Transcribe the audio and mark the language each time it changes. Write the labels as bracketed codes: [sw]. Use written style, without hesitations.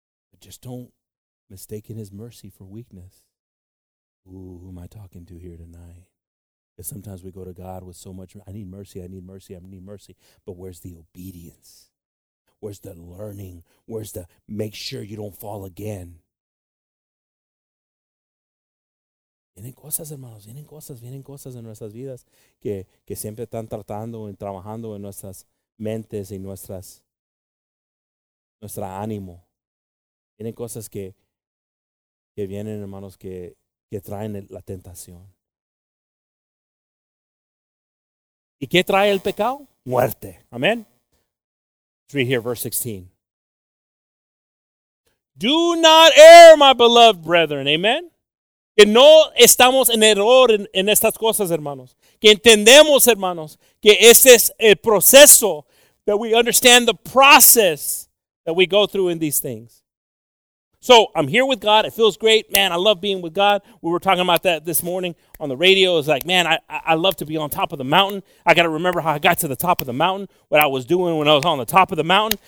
[en] But just don't mistake his mercy for weakness. Ooh, who am I talking to here tonight? Because sometimes we go to God with so much, I need mercy, I need mercy, I need mercy. But where's the obedience? Where's the learning? Where's the make sure you don't fall again? [es] Vienen cosas, hermanos, vienen cosas en nuestras vidas que siempre están tratando y trabajando en nuestras mentes y nuestra ánimo. Vienen cosas que vienen, hermanos, que traen la tentación. ¿Y qué trae el pecado? Muerte. Amén. [en] Let's read here, verse 16. Do not err, my beloved brethren. Amen. [es] Que no estamos en error en estas cosas, hermanos. Que entendemos, hermanos, que este es el proceso. [en] That we understand the process that we go through in these things. So I'm here with God. It feels great. Man, I love being with God. We were talking about that this morning on the radio. It's like, man, I love to be on top of the mountain. I got to remember how I got to the top of the mountain, what I was doing when I was on the top of the mountain.